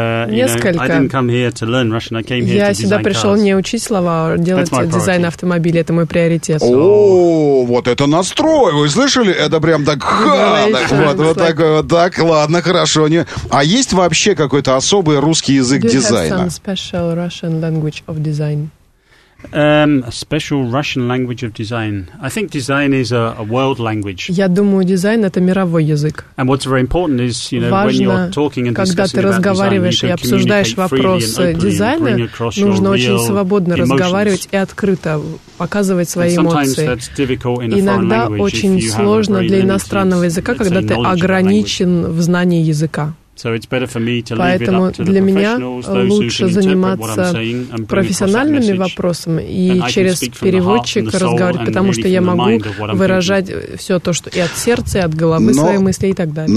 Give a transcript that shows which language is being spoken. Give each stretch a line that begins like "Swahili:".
Russian: Я сюда пришел не учить слова, а делать дизайн автомобиля. Это мой приоритет. Вот это настрой, вы слышали? Это прям так, вот так, ладно, хорошо. А есть вообще какой-то особый русский язык дизайна?
English: Do you have some special Russian language of design? A special Russian language of design. I think design is a world language.
Russian: Я думаю, дизайн — это мировой язык.
English: And what's very important is, you know, when you're talking and discussing about design, you can communicate freely and openly and bring across your real emotions.
Russian: Когда ты разговариваешь и обсуждаешь вопросы дизайна, нужно очень свободно разговаривать и открыто показывать свои эмоции. Иногда очень сложно для иностранного языка, когда ты ограничен в знании языка. Поэтому для меня лучше заниматься профессиональными вопросами и через переводчика разговаривать, потому что я могу выражать все то, что и от сердца, и от головы свои мысли и так далее.